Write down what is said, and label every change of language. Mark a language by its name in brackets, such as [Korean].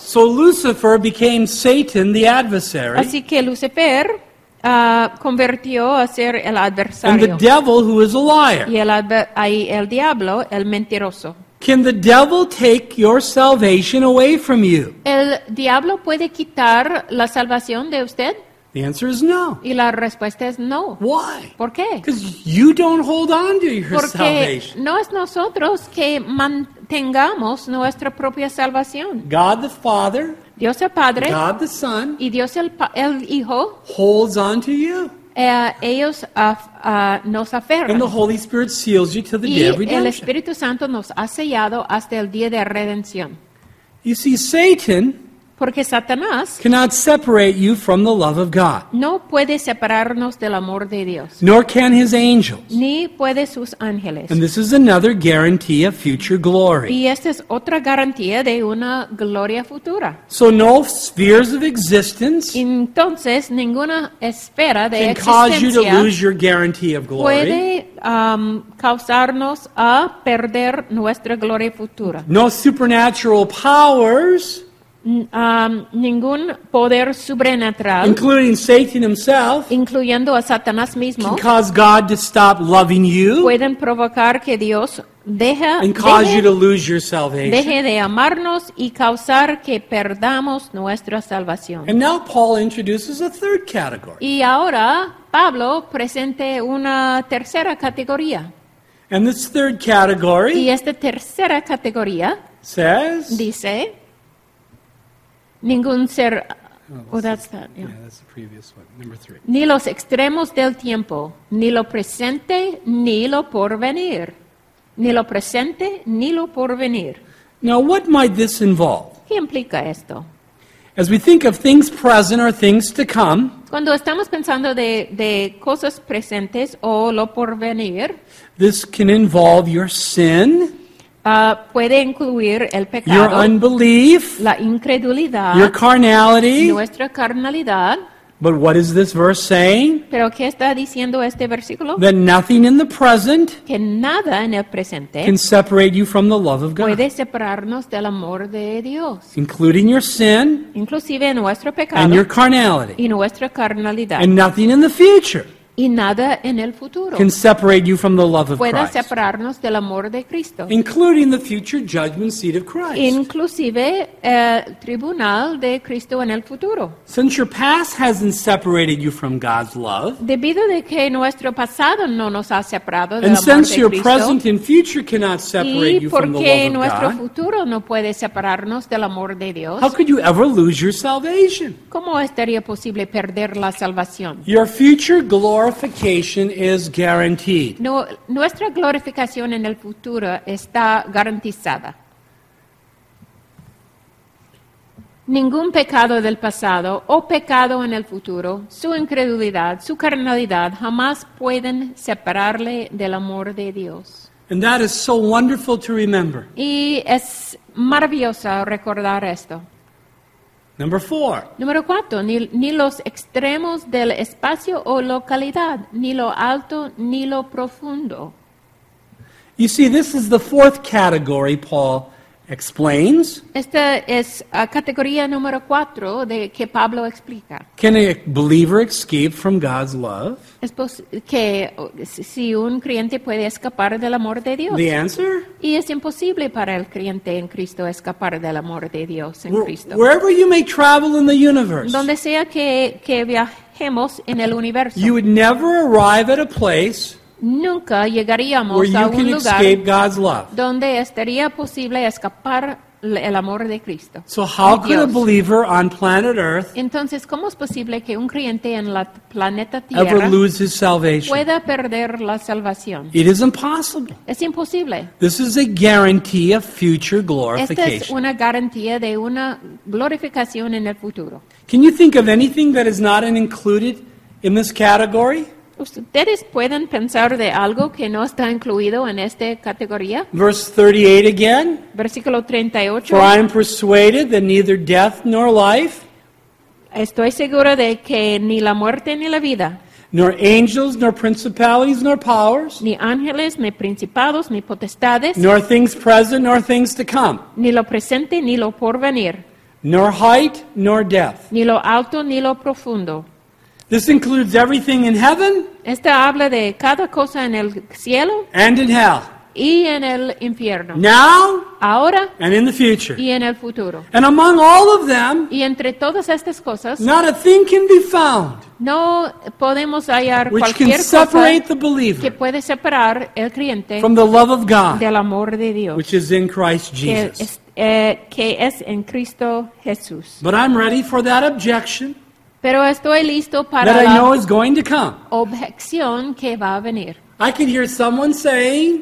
[English] So Lucifer became Satan, the adversary. [Spanish] Así que Lucifer convirtió a ser el adversario. [English] And the devil, who is a liar. [Spanish] Y el diablo, el mentiroso. [English] Can the devil take your salvation away from you? [Spanish] ¿El diablo puede quitar la salvación de usted? [English] The answer is no. [Spanish] Y la respuesta es no. [English] Why? [Spanish] ¿Por qué? [English] Because you don't hold on to your [Spanish] porque [English] salvation. [Spanish] No es nosotros que mantengamos nuestra propia salvación. [English] God the Father, [Spanish] Dios el Padre, [English] God the Son, [Spanish] y Dios el Hijo, [English] holds on to you. [Spanish] Ellos nos aferran. [English] And the Holy Spirit seals you till the [Spanish] y [English] day of redemption. [Spanish] El Espíritu Santo nos ha sellado hasta el día de redención. [English] You see, Satan [Spanish] porque Satanás [English] cannot separate you from the love of God. [Spanish] No puede separarnos del amor de Dios. [English] Nor can his angels. [Spanish] Ni puede sus ángeles. [English] And this is another guarantee of future glory. [Spanish] Y esta es otra garantía de una gloria futura. [English] So no spheres of existence [Spanish] entonces, ninguna esfera de [English] can cause you to lose your guarantee of glory. [Spanish] Puede causarnos a perder nuestra gloria futura. [English] No supernatural powers [Spanish] ningún poder sobrenatural, [English] including Satan himself, [Spanish] incluyendo a Satanás mismo, [English] can cause God to stop loving you, [Spanish] pueden provocar que Dios deje, [English] and cause you to lose your salvation. [Spanish] Deje de amarnos y causar que perdamos nuestra salvación. [English] And now Paul introduces a third category. [Spanish] Y ahora Pablo presenta una tercera categoría. [English] And this third category, [Spanish] y esta tercera categoría, [English] says, [Spanish] dice. Ningún ser. [English] Oh, that's that. Yeah. Yeah, that's the previous one. Number three. [Spanish] Ni los extremos del tiempo, ni lo presente, ni lo porvenir. Ni lo presente, ni lo porvenir. [English] Now, what might this involve? [Spanish] ¿Qué implica esto? [English] As we think of things present or things to come, [Spanish] cuando estamos pensando de cosas presentes o lo porvenir, [English] this can involve your sin. [Spanish] Puede incluir el pecado, [English] your unbelief, [Spanish] la incredulidad, [English] your carnality, [Spanish] nuestra carnalidad. [English] But what is this verse saying? [Spanish] ¿Pero qué está diciendo este versículo? [English] That nothing in the present, [Spanish] que nada en el presente, [English] can separate you from the love of God. [Spanish] Puede separarnos del amor de Dios, [English] including your sin, [Spanish] inclusive nuestro pecado, [English] and your carnality, [Spanish] y nuestra carnalidad, [English] and nothing in the future. [Spanish] Y nada en el futuro [English] can separate you from the love of Christ. [Spanish] Pueda separarnos del amor de Cristo. [English] Including the future judgment seat of Christ. [Spanish] Inclusive el tribunal de Cristo en el futuro. [English] Since your past hasn't separated you from God's love, [Spanish] debido de que nuestro pasado no nos ha separado del amor de Cristo, [English] and since your present and future cannot separate you from the love of God, [Spanish] y porque nuestro futuro no puede separarnos del amor de Dios, [English] how could you ever lose your salvation? [Spanish] ¿Cómo estaría posible perder la salvación? [English] Your future glorification is guaranteed. [Spanish] No, nuestra glorificación en el futuro está garantizada. Ningún pecado del pasado o pecado en el futuro, su incredulidad, su carnalidad, jamás pueden separarle del amor de Dios. [English] And that is so wonderful to remember. [Spanish] Y es maravilloso recordar esto. [English] Number four. [Spanish] Número cuatro, ni los extremos del espacio o localidad, ni lo alto, ni lo profundo. [English] You see, this is the fourth category Paul explains. [Spanish] Esta es categoría número cuatro de que Pablo explica. [English] Can a believer escape from God's love? [Spanish] ¿Es posible que si un creyente puede escapar del amor de Dios? [English] The answer? [Spanish] Y es imposible para el creyente en Cristo escapar del amor de Dios en Cristo. [English] Wherever you may travel in the universe, [Spanish] donde sea que viajemos en el universo, [English] you would never arrive at a place [Spanish] nunca llegaríamos [English] where you [Spanish] a un [English] can [Spanish] lugar [English] escape God's love. [Spanish] Donde estaría posible escapar el amor de Cristo. [English] So how could a believer on planet Earth [Spanish] entonces, ¿cómo es posible que un creyente en la planeta Tierra [English] ever lose his salvation? [Spanish] Pueda perder la salvación? [English] It is impossible. [Spanish] Es imposible. [English] This is a guarantee of future glorification. [Spanish] Esta es una garantía de una glorificación en el futuro. [English] Can you think of anything that is not included in this category? [Spanish] ¿Ustedes pueden pensar de algo que no está incluido en esta categoría? [English] Verse 38 again. [Spanish] Versículo 38. [English] For I am persuaded that neither death nor life, [Spanish] estoy segura de que ni la muerte ni la vida, [English] nor angels, nor principalities, nor powers, [Spanish] ni ángeles, ni principados, ni potestades, [English] nor things present, nor things to come, [Spanish] ni lo presente, ni lo porvenir, [English] nor height, nor depth, [Spanish] ni lo alto, ni lo profundo. [English] This includes everything in heaven. [Spanish] Esta habla de cada cosa en el cielo. [English] And in hell. [Spanish] Y en el infierno. [English] Now. [Spanish] Ahora. [English] And in the future. [Spanish] Y en el futuro. [English] And among all of them. [Spanish] Y entre todas estas cosas. [English] Not a thing can be found. [Spanish] No podemos hallar [English] which [Spanish] cualquier [English] can separate [Spanish] cosa [English] the believer [Spanish] que puede separar el creyente [English] from the love of God, [Spanish] del amor de Dios, [English] which is in Christ Jesus. [Spanish] Que es en Cristo Jesús. [English] But I'm ready for that objection. [Spanish] Pero estoy listo para [English] that I know is going to come. [Spanish] Objeción que va a venir. [English] I can hear someone saying,